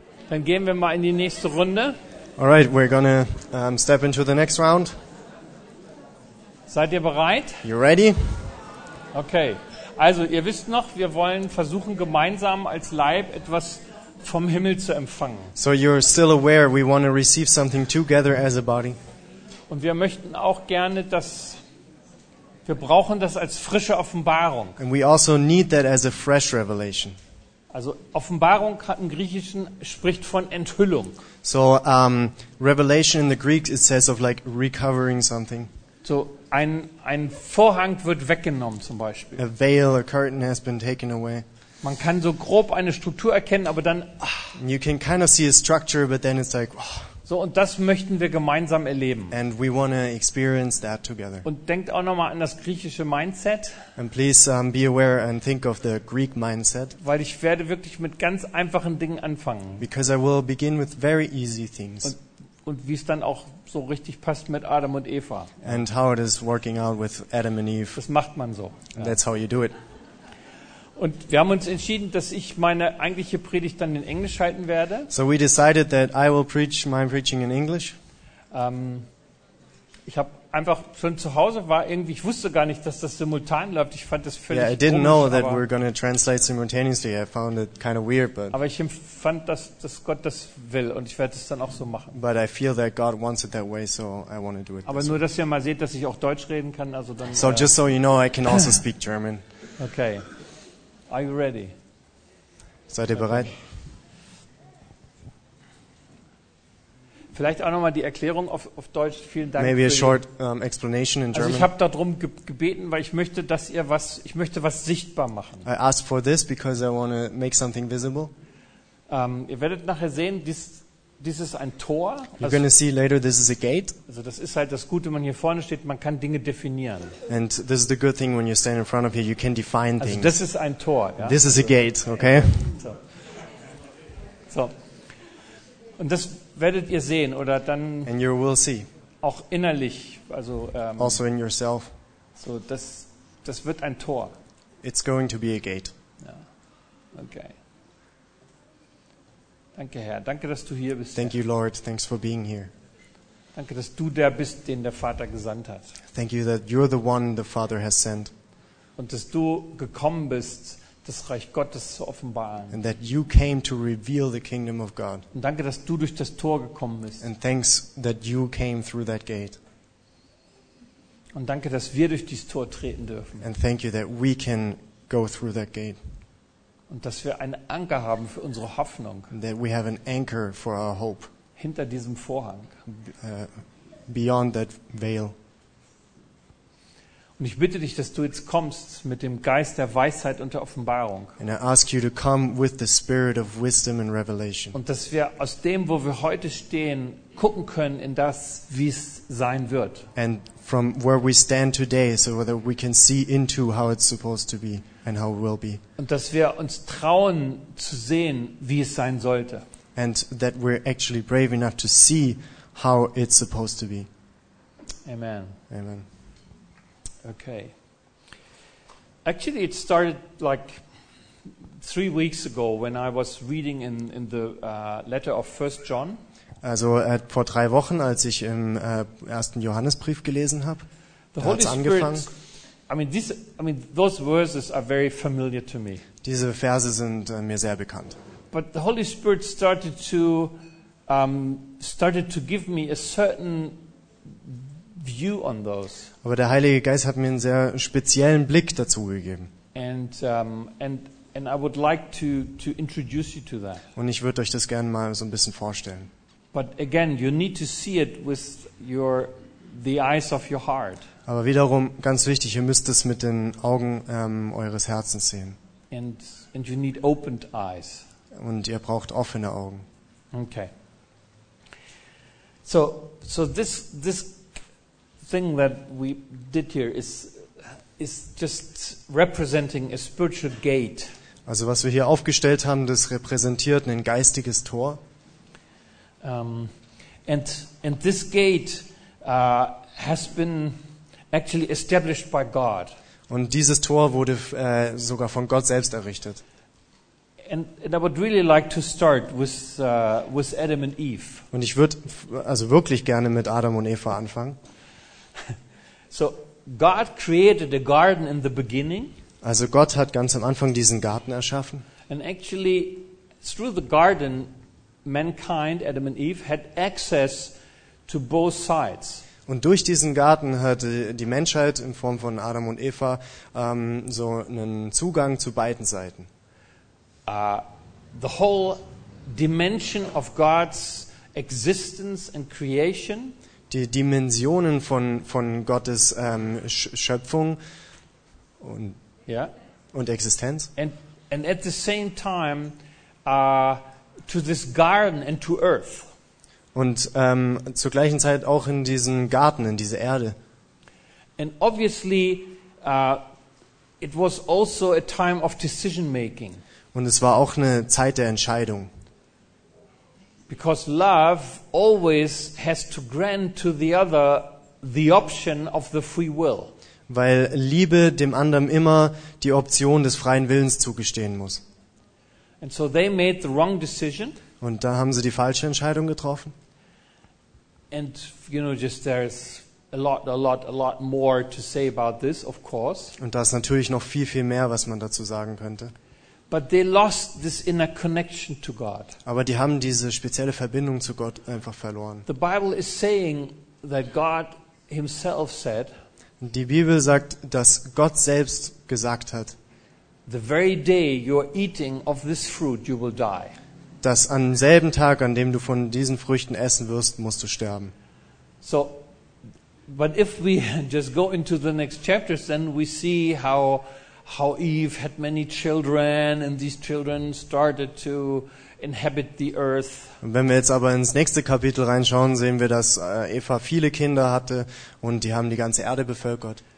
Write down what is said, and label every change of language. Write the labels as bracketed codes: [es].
[de] Dann gehen wir mal in die nächste Runde. [en] All right, we're gonna step into the next round. [de] Seid ihr bereit? [en] You ready? Okay. [de] Also, ihr wisst noch, wir wollen versuchen, gemeinsam als Leib etwas vom Himmel zu empfangen. [en] So you're still aware we want to receive something together as a body. [de] Und wir möchten auch gerne, dass wir brauchen das als frische Offenbarung. [en] And we also need that as a fresh revelation. [de] Also Offenbarung hat im Griechischen spricht von Enthüllung. [en] So revelation in the Greek it says of like recovering something. [de] So ein Vorhang wird weggenommen zum Beispiel. [en] A veil, a curtain has been taken away. [de] Man kann so grob eine Struktur erkennen, aber dann. [en] You can kind of see a structure, but then it's like. Oh. [de] So, und das möchten wir gemeinsam erleben. [en] And we want to experience that together. [de] Und denkt auch nochmal an das griechische Mindset. [en] And please be aware and think of the Greek mindset. [de] Weil ich werde wirklich mit ganz einfachen Dingen anfangen. [en] Because I will begin with very easy things. [de] Und wie es dann auch so richtig passt mit Adam und Eva. [en] And how it is working out with Adam and Eve. [de] Das macht man so. [en] And that's how you do it. [de] Und wir haben uns entschieden, dass ich meine eigentliche Predigt dann in Englisch halten werde. [en] So we decided that I will preach my preaching in English. [de] Ich habe einfach schon zu Hause war irgendwie, ich wusste gar nicht, dass das simultan läuft. Ich fand das völlig komisch. [en] Yeah, I didn't know that we're going to translate simultaneously. I found it kind of weird, but. [de] Aber ich empfand, dass Gott das will und ich werde es dann auch so machen. [en] But I feel that God wants it that way, so I want to do it. [de] Aber nur, dass ihr mal seht, dass ich auch Deutsch reden kann, also dann. [en] So just so you know, I can also speak German. Okay. Are you ready? [de] Seid ihr bereit? Vielleicht auch nochmal die Erklärung auf Deutsch. Vielen Dank. [en] Maybe a short explanation in German. [de] Also ich habe darum gebeten, weil ich möchte, dass ihr was, ich möchte was sichtbar machen. [en] I asked for this because I want to make something visible. [de] Ihr werdet nachher sehen, dies ist ein Tor. [en] You're going to see later, this is a gate. [de] Also das ist halt das Gute, wenn man hier vorne steht, man kann Dinge definieren. [en] And this is the good thing when you stand in front of here, you can define things. [de] Also das ist ein Tor. Ja? [en] This is a gate, okay? [de] So. Und das werdet ihr sehen, oder dann. [en] And you will see. [de] Auch innerlich, also. [en] Also in yourself. [de] So, das wird ein Tor. [en] It's going to be a gate. [de] Ja. Okay. Danke, Herr. Danke, dass du hier bist. [en] Thank you, Lord. Thanks for being here. [de] Danke, dass du der bist, den der Vater gesandt hat. [en] Thank you that you're the one the Father has sent. [de] Und dass du gekommen bist, das Reich Gottes zu offenbaren. [en] And that you came to reveal the kingdom of God. [de] Und danke, dass du durch das Tor gekommen bist. [en] And thanks that you came through that gate. [de] Und danke, dass wir durch dieses Tor treten dürfen. [en] And thank you that we can go through that gate. [de] Und dass wir einen Anker haben für unsere Hoffnung. [en] That we have an anchor for our hope. [de] Hinter diesem Vorhang. [en] Beyond that veil. [de] Und ich bitte dich, dass du jetzt kommst mit dem Geist der Weisheit und der Offenbarung. [en] And I ask you to come with the spirit of wisdom and revelation. [de] Und dass wir aus dem, wo wir heute stehen, gucken können in das, wie es sein wird. [en] And from where we stand today, so that we can see into how it's supposed to be. And how it will be. [de] Und dass wir uns trauen zu sehen, wie es sein sollte. [en] And that we're actually brave enough to see how it's supposed to be. [de] Amen. [en] Amen. Okay. Actually, it started like 3 weeks ago when I was reading in the letter of 1 John. [de] Also vor 3 Wochen, als ich im ersten Johannesbrief gelesen habe, da hat es angefangen. [en] I mean, those verses are very familiar to me. [de] Diese Verse sind mir sehr bekannt. [en] But the Holy Spirit started to give me a certain view on those. [de] Aber der Heilige Geist hat mir einen sehr speziellen Blick dazu gegeben. [en] And I would like to introduce you to that. [de] Und ich würde euch das gerne mal so ein bisschen vorstellen. [en] But again, you need to see it with the eyes of your heart. [de] Aber wiederum, ganz wichtig, ihr müsst es mit den Augen eures Herzens sehen. [en] And you need opened eyes. [de] Und ihr braucht offene Augen. [en] Okay. So this thing that we did here is just representing a spiritual gate. [de] Also was wir hier aufgestellt haben, das repräsentiert ein geistiges Tor. [en] And this gate has been actually established by God. [de] Und dieses Tor wurde sogar von Gott selbst errichtet. [en] And I would really like to start with Adam and Eve. [de] Und ich würde also wirklich gerne mit Adam und Eva anfangen. [en] So God created a garden in the beginning. [de] Also Gott hat ganz am Anfang diesen Garten erschaffen. [en] And actually through the garden mankind Adam and Eve had access to both sides. [de] Und durch diesen Garten hatte die Menschheit in Form von Adam und Eva so einen Zugang zu beiden Seiten. [en] The whole dimension of God's existence and creation. [de] Die Dimensionen von Gottes Schöpfung und [en] yeah. [de] Und Existenz. [en] And at the same time to this garden and to earth. [de] Und zur gleichen Zeit auch in diesen Garten, in diese Erde. [en] And obviously it was also a time of decision making. [de] Und es war auch eine Zeit der Entscheidung. [en] Because love always has to grant to the other the option of the free will. [de] Weil Liebe dem anderen immer die Option des freien Willens zugestehen muss. [en] And so they made the wrong decision. [de] Und da haben sie die falsche Entscheidung getroffen. [en] And you know, just there's a lot more to say about this, of course. [de] Und da ist natürlich noch viel, viel mehr, was man dazu sagen könnte. [en] But they lost this inner connection to God. [de] Aber die haben diese spezielle Verbindung zu Gott einfach verloren. [en] The Bible is saying that God himself said. [de] Die Bibel sagt, dass Gott selbst gesagt hat. [en] The very day you are eating of this fruit, you will die. [de] Dass am selben Tag, an dem du von diesen Früchten essen wirst, musst du sterben. [en] So, but if we just go into the next chapters, then we see how Eve had many children and these children started to inhabit the earth. [de] Wenn wir jetzt aber ins nächste Kapitel reinschauen, sehen wir, dass Eva viele Kinder hatte und die haben die ganze Erde bevölkert.